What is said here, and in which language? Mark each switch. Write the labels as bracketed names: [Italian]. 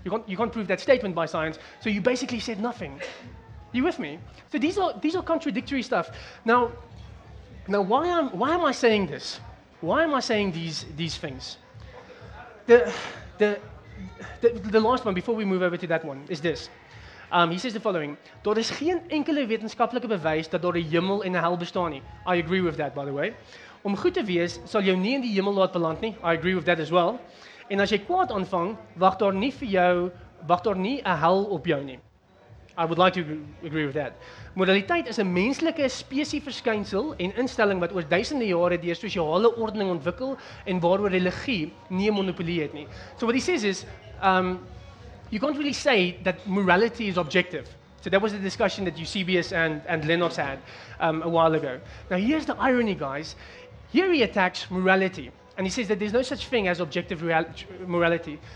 [English] You can't prove that statement by science. So you basically said nothing. You with me? So these are contradictory stuff. Now why am I saying this? Why am I saying these things? The last one before we move over to that one is this. He says the following, [Afrikaans] daar is geen enkele wetenskaplike bewys dat daar 'n hemel en 'n hel bestaan nie. [English] I agree with that, by the way. [Afrikaans] Om goed te wees, sal jou nie in die hemel laat beland nie. [English] I agree with that as well. [Afrikaans] En as jy kwaad aanvang, wag daar nie 'n hel op jou nie. [English] I would like to agree with that. [Afrikaans] Moraliteit is 'n menslike spesieverskynsel en instelling wat oor duisende jare deur sosiale ordening ontwikkel en waaroor religie nie 'n monopolie het nie. [English] So what he says is, you can't really say that morality is objective. So that was the discussion that Eusebius and Lennox had a while ago. Now here's the irony, guys. Here he attacks morality, and he says that there's no such thing as objective morality.